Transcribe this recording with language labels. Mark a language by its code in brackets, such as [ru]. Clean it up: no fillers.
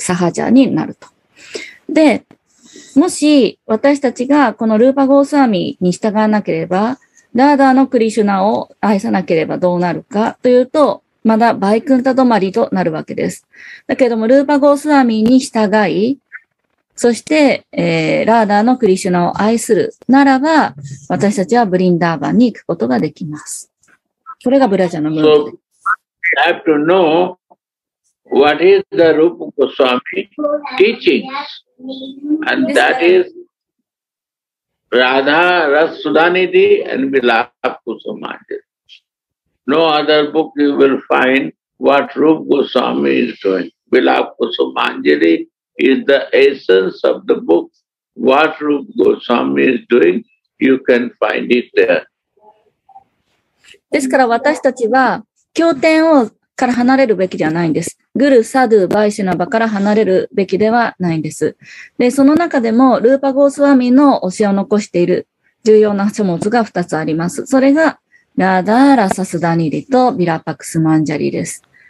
[ja] サハジャになると。で、もし私たちがこのルーパゴースワミに従わなければ、ラーダーのクリシュナを愛さなければどうなるかというと、まだバイクンタ止まりとなるわけです。だけども、ルーパゴースワミに従い、そして、ラーダーのクリシュナを愛するならば、私たちはブリンダーバンに行くことができます。これがブラジャのムーブです。 [en] So, I have to know what is the Rupa Goswami teachings. And that is Radha Rasudanidhi and Vilap Kusumadhi. No other book you will find what Rupa Goswami is doing. Vilap Kusumadhi is the essence of the book. What Rupa Goswami is doing, you can find it there. [ja] ですから私たちは経典をから離れるべきではないんです。グル、サドゥ、バイシュナバから離れるべきではないんです。で、その中でも、ルーパゴースワミの教えを残している重要な書物が2つあります。それが、ラダーラサスダニリとビラパクスマンジャリです。